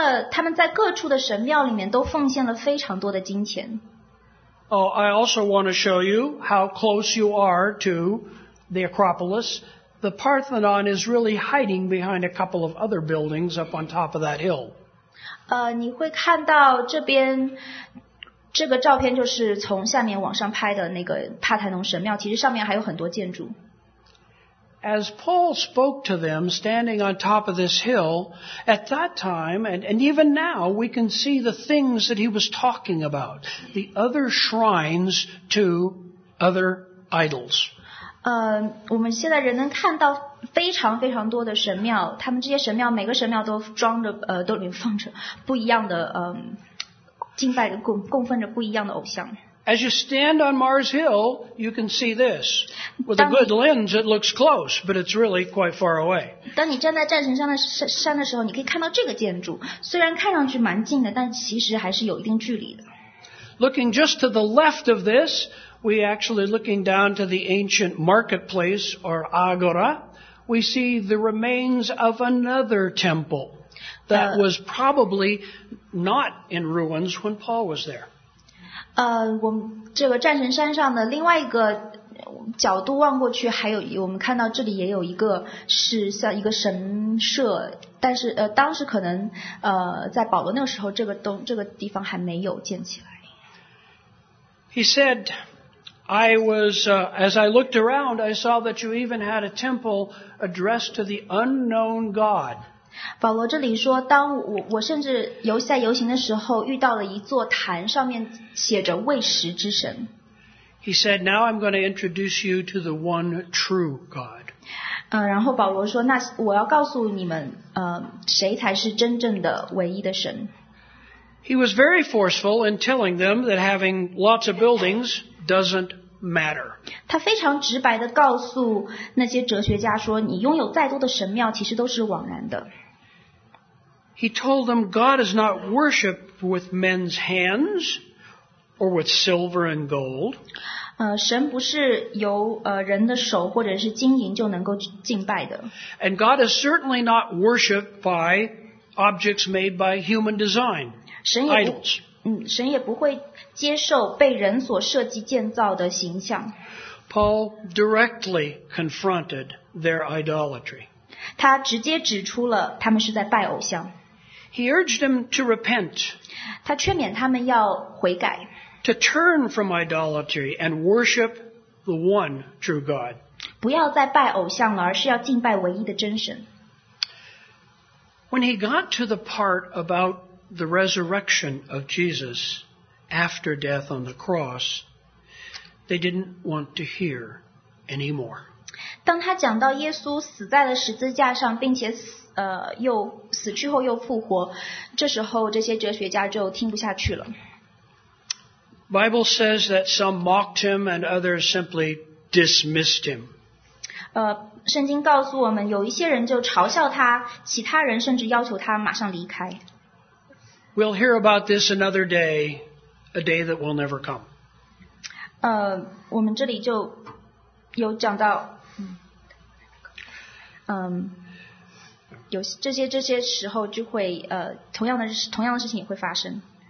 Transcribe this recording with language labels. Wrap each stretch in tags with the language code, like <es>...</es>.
<zh>他们在各处的神庙里面都奉献了非常多的金钱。</zh> <en>Oh, I also want to show you how close you are to the Acropolis. The Parthenon is really hiding behind a couple of other buildings up on top of that hill.</en> <zh>你会看到这边这个照片就是从下面往上拍的那个帕台农神庙，其实上面还有很多建筑。</zh> <en>As Paul spoke to them standing on top of this hill, at that time, and even now, we can see the things that he was talking about, the other shrines to other idols.</en> <zh>我们现在人能看到非常非常多的神庙，他们这些神庙每个神庙都装着都里放着不一样的敬拜的供奉着不一样的偶像。</zh> <en>As you stand on Mars Hill, you can see this. With a good lens, it looks close, but it's really quite far away.</en> <zh>当你站在战神山的时候，你可以看到这个建筑，虽然看上去蛮近的，但其实还是有一定距离的。</zh> <en>Looking just to the left of this. We actually looking down to the ancient marketplace or agora, we see the remains of another temple that was probably not in ruins when Paul was there.</en> <zh>我们这个战神山上的另外一个角度望过去，还有我们看到这里也有一个是像一个神社，但是当时可能在保罗那个时候，这个地方还没有建起来。</zh> <en>He said. I was, as I looked around, I saw that you even had a temple addressed to the unknown God.</en> <zh>保罗这里说，当我甚至在游行的时候遇到了一座坛，上面写着未识之神。</zh> <en>He said, now I'm going to introduce you to the one true God.</en> <zh>然后保罗说，那我要告诉你们，谁才是真正的唯一的神。</zh> <en>He was very forceful in telling them that having lots of buildings,doesn't matter.</en> <zh>他非常直白地告诉那些哲学家说，你拥有再多的神庙其实都是枉然的。</zh> <en>He told them God is not worshipped with men's hands or with silver and gold.</en> <zh>神不是由人的手或者是金银就能够敬拜的。</zh> <en>And God is certainly not worshipped by objects made by human design, idols.</en> <zh>神也不会接受被人所设计建造的形象。</zh> <en>Paul directly confronted their idolatry.</en> <zh>他直接指出了他们是在拜偶像。</zh> <en>He urged them to repent.</en> <zh>他劝勉他们要悔改。</zh> <en>To turn from idolatry and worship the one true God.</en> <zh>不要再拜偶像了，而是要敬拜唯一的真神。</zh> <en>When he got to the part about the resurrection of Jesus after death on the cross, they didn't want to hear anymore.</en> <zh>当他讲到耶稣死在了十字架上，并且又死去后又复活，这时候这些哲学家就听不下去了。</zh> <en>Bible says that some mocked him and others simply dismissed him.</en> <zh>圣经告诉我们，有一些人就嘲笑他，其他人甚至要求他马上离开。</zh> <en>We'll hear about this another day, a day that will never come.</en> <zh>我们这里就有讲到，有这些时候就会同样的事情也会发生。</zh>